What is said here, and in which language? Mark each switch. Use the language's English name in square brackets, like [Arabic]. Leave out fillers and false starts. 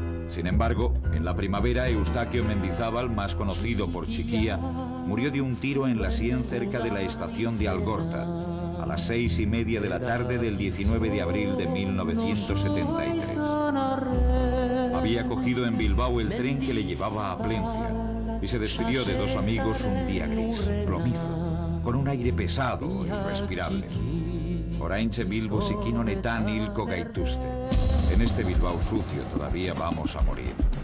[Spanish] Sin embargo, en la primavera, Eustaquio Mendizábal, más conocido por Chiquía, murió de un tiro en la sien cerca de la estación de Algorta, a las 6:30 de la tarde del 19 de abril de 1973. Había cogido en Bilbao el tren que le llevaba a Plencia y se despidió de dos amigos un día gris, plomizo, con un aire pesado e irrespirable. [Basque] Oraintxe Bilbo zikinonetan hilko gaituzte. [Spanish] En este Bilbao sucio todavía vamos a morir.